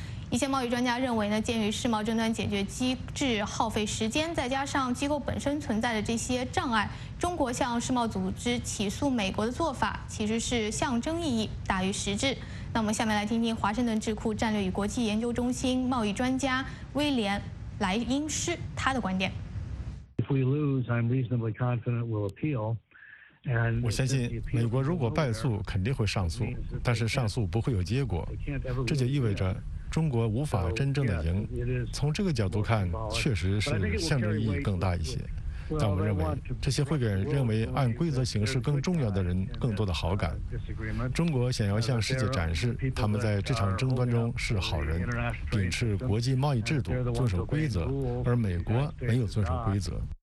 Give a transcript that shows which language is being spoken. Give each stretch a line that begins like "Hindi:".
Chinese: 一些贸易专家认为呢，鉴于世贸争端解决机制耗费时间，再加上机构本身存在的这些障碍，中国向世贸组织起诉美国的做法其实是象征意义大于实质。那我们下面来听听华盛顿智库战略与国际研究中心贸易专家威廉莱因斯他的观点。
English: If we lose, I'm reasonably confident we'll appeal.
Chinese: 我相信美国如果败诉肯定会上诉，但是上诉不会有结果，这就意味着中国无法真正的赢，从这个角度看确实是象征意义更大一些，但我认为这些会给认为按规则行事更重要的人更多的好感，中国想要向世界展示他们在这场争端中是好人，秉持国际贸易制度遵守规则，而美国没有遵守规则。